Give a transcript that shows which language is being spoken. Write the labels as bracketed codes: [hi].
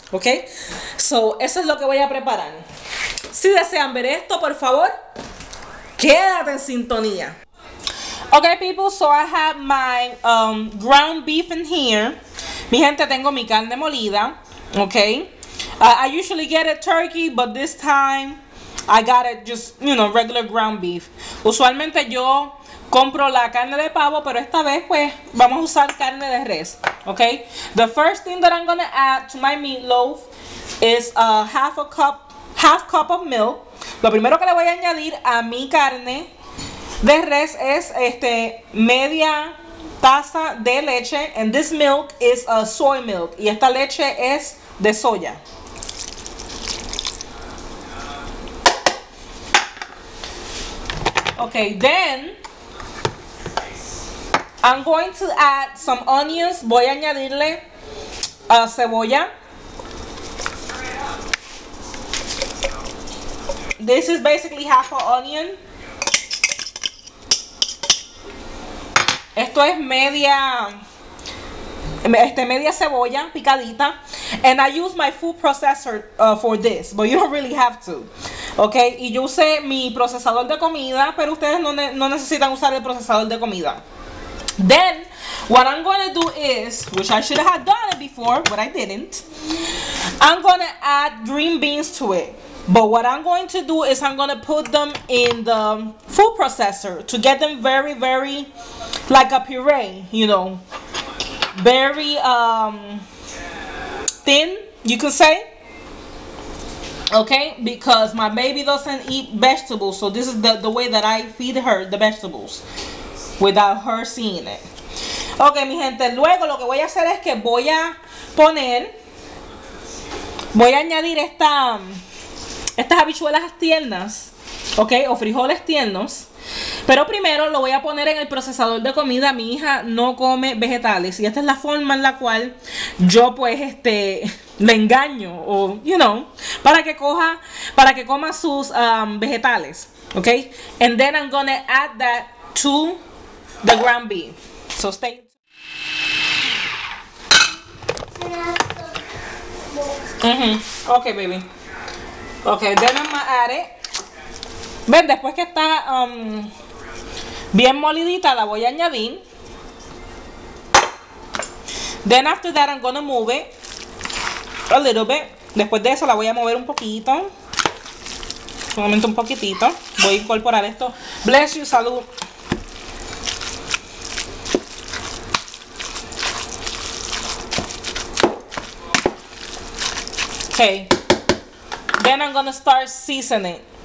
[es] Ok, so eso es lo que voy a preparar. Si desean ver esto, por favor, quédate en sintonía. [en] Ok, people, so I have my ground beef in here. [es] Mi gente, tengo mi carne molida. [en] Ok, I usually get a turkey, but this time I got it just, you know, regular ground beef. [es] Usualmente yo compro la carne de pavo, pero esta vez pues vamos a usar carne de res. [en] Okay, the first thing that I'm gonna add to my meatloaf is half cup of milk. [es] Lo primero que le voy a añadir a mi carne de res es media taza de leche. [en] And this milk is soy milk. [es] Y esta leche es de soya. [en] Okay, then I'm going to add some onions. [es] Voy a añadirle cebolla. [en] This is basically half an onion. [es] Esto es media cebolla picadita. [en] And I use my food processor for this, but you don't really have to. [es] Okay, y yo usé mi procesador de comida, pero ustedes no necesitan usar el procesador de comida. [en] Then, what I'm going to do is, which I should have done it before, but I didn't, I'm going to add green beans to it. But what I'm going to do is I'm going to put them in the food processor to get them very, very, like a puree, you know, very thin, you could say. Okay, because my baby doesn't eat vegetables, so this is the way that I feed her the vegetables, without her seeing it. [es] Okay, mi gente, luego lo que voy a hacer es que voy a añadir estas habichuelas tiernas, okay, o frijoles tiernos, pero primero lo voy a poner en el procesador de comida. Mi hija no come vegetales, y esta es la forma en la cual yo pues le engaño, o, you know, para que coma sus vegetales, okay, [en] and then I'm gonna add that to the ground beef. So stay. Okay, baby. Okay, then I'm gonna add it. [es] Ven, después que está bien molidita, la voy a añadir. [en] Then after that, I'm gonna move it a little bit. [es] Después de eso, la voy a mover un poquito. Un momento, un poquitito. Voy a incorporar esto. [en] Bless you, [es] salud. [en] Okay, then I'm gonna start seasoning.